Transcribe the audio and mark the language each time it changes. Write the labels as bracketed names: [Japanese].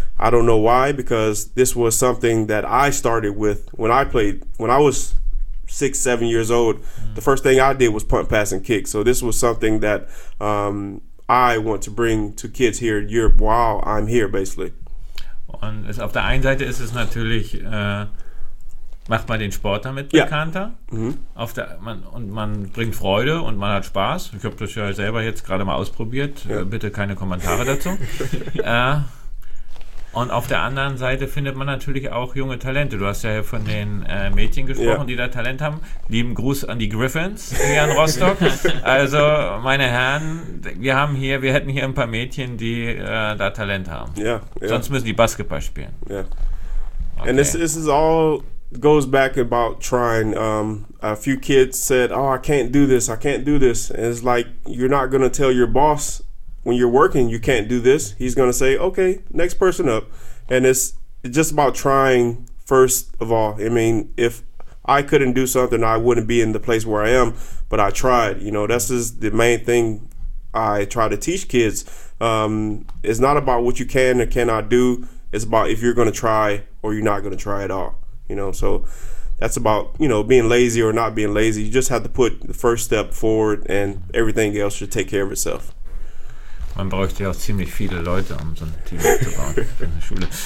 [English] I don't know why, because this was something that I started with when I was six, 7 years old, the first thing I did was punt, pass, and kick. So this was something that I want to bring to kids here in Europe while I'm here, basically. [German] Und es, auf der einen Seite ist es natürlich, macht man den Sport damit bekannter. Auf der, man, und man bringt Freude und man hat Spaß. Ich habe das ja selber jetzt gerade mal ausprobiert. Bitte keine Kommentare dazu. Und auf der anderen Seite findet man natürlich auch junge Talente. Du hast ja von den Mädchen gesprochen, die da Talent haben. Lieben Gruß an die Griffins hier in Rostock. Also, meine Herren, wir haben hier, wir hätten hier ein paar Mädchen, die da Talent haben. Sonst müssen die Basketball spielen. [English] And this is all goes back about trying. A few kids said, oh, I can't do this, I can't do this. And it's like, you're not going to tell your boss, when you're working, you can't do this. He's going to say, okay, next person up. And it's just about trying, first of all. I mean, if I couldn't do something, I wouldn't be in the place where I am. But I tried. You know, this is the main thing I try to teach kids. It's not about what you can or cannot do. It's about if you're going to try or you're not going to try at all. You know, so that's about, you know, being lazy or not being lazy. You just have to put the first step forward and everything else should take care of itself. [German] Man bräuchte ja auch ziemlich viele Leute, um so ein Team zu bauen in der Schule.